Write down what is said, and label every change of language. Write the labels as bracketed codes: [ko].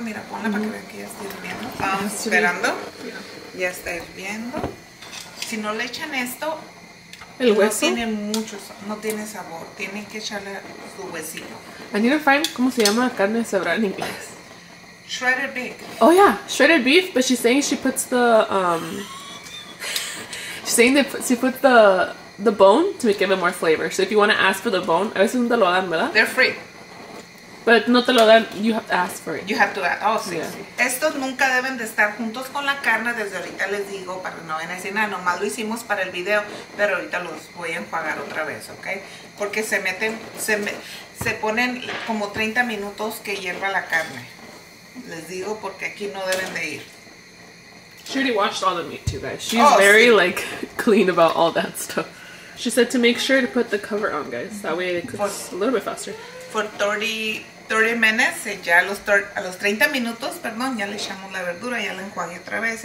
[es] Mira, ponla para que vean que ya está hirviendo. Estamos esperando. Yeah. Ya está hirviendo. Si no le echan esto... El hueso. No tiene mucho, no tiene sabor. Tiene que echarle su huesito. [en] I need to find, [es] ¿cómo se llama carne deshebrada en inglés? [en] Shredded beef. Oh yeah, shredded beef. But she's saying she puts the she's saying that she put the bone to give it more flavor. So if you want to ask for the bone, [es] a veces no te lo dan, ¿verdad? [en] They're free. But [es] no te lo dan. [en] You have to ask for it. You have to ask. Oh, sí, yeah. sí. [es] Estos nunca deben de estar juntos con la carne. Desde ahorita les digo para no venir a decir nada. Nomás lo hicimos para el video, pero ahorita los voy a enjuagar otra vez, ¿okay? Porque se ponen como 30 minutos que hierva la carne. Les digo porque aquí no deben de ir. [en] She already washed all the meat too, guys. She's very sí. like clean about all that stuff. She said to make sure to put the cover on, guys. That way it cooks a little bit faster. For 30 minutes, [es] ya a los 30 minutos, perdón, ya le echamos la verdura, ya la enjuagué otra vez.